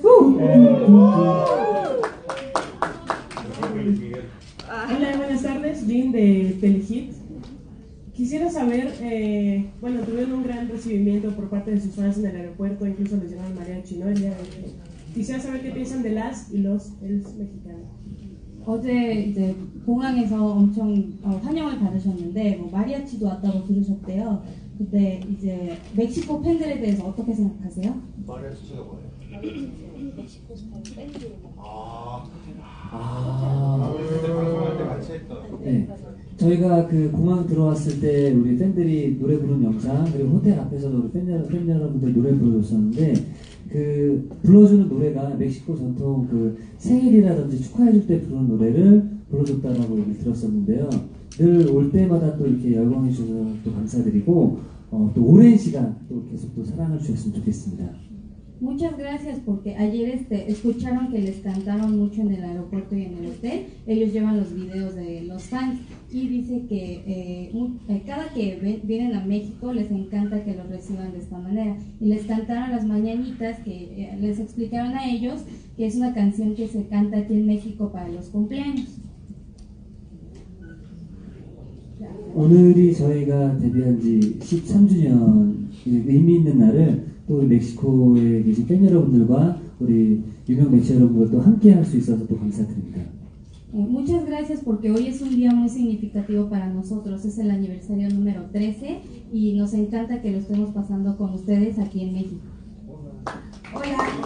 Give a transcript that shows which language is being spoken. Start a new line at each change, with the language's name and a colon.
Spanish: Hola, buenas tardes, Jean de Telehit. Quisiera saber, bueno, tuvieron un gran recibimiento por parte de sus fans en el aeropuerto, incluso les llamaron María Chinoya. Quisiera saber qué piensan de las y los elos mexicanos.
Korean: 어제 이제 공항에서 엄청 환영을 받으셨는데 뭐 마리아치도 왔다고 들으셨대요. 그때 이제 멕시코 팬들에 대해서 어떻게 생각하세요? 마리아치가 뭐예요? 멕시코 팬들. 아. 아. 방송할 때 같이 했던. 네. 저희가 그 공항 들어왔을 때 우리 팬들이 노래 부른 영상 그리고 호텔 앞에서도 우리 팬 여러분들 노래 불러줬었는데 그 불러주는 노래가 멕시코 전통 그 생일이라든지 축하해줄 때 부르는 노래를 불러줬다라고 얘기 들었었는데요. 늘 올 때마다 또 이렇게 열광해 주셔서 또 감사드리고 또 오랜 시간 또 계속 또 사랑을 주셨으면 좋겠습니다.
Spanish: Muchas gracias porque ayer escucharon que les cantaron mucho en el aeropuerto y en el hotel. Ellos llevan los videos de los fans y dice que cada que vienen a México les encanta que los reciban de esta manera. Y les cantaron las mañanitas que les explicaron a ellos que es una canción que se canta aquí en México para los cumpleaños.
Korean: 오늘이 저희가 데뷔한 지 13주년 의미 있는 날을 또 우리 멕시코에 계신 팬 여러분들과 우리 유명 매체 여러분들과 함께 할 수 있어서 또 감사드립니다.
Spanish: Muchas gracias porque hoy es un día muy significativo para nosotros. Es el aniversario número 13 y nos encanta que lo estemos pasando con ustedes aquí en México. Hola.